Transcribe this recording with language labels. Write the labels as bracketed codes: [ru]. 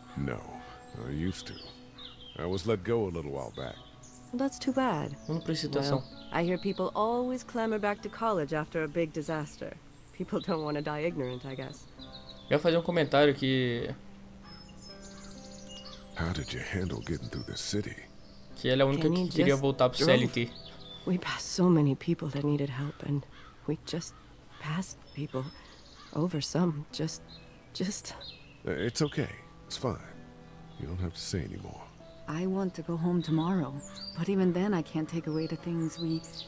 [en] No, I used to. I was let go a little while back. That's too bad. Well, I hear people always clamor back to college after a big disaster. People don't want to die ignorant, I guess. [pt] Eu ia fazer comentário que... [en] How did you handle getting through the city? [pt] Que ela é a única que queria voltar pro CLT. [en] We passed so many people that needed help, and we just passed people over some. Just... It's okay. It's fine. You don't have to say anymore. I want to go home tomorrow, but even then I can't take away the things we...